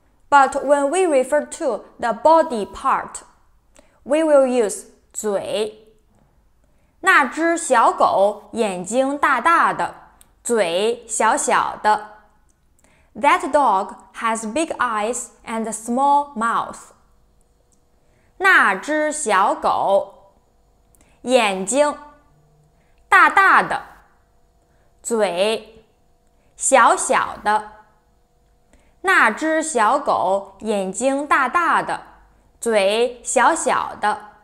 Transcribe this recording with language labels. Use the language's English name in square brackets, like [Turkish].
[English] But when we refer to the body part, we will use 嘴. [Chinese] 那只小狗眼睛大大的,嘴小小的. [English] That dog has big eyes and a small mouth. [Chinese] 那只小狗眼睛大大的嘴小小的，那只小狗眼睛大大的，嘴小小的。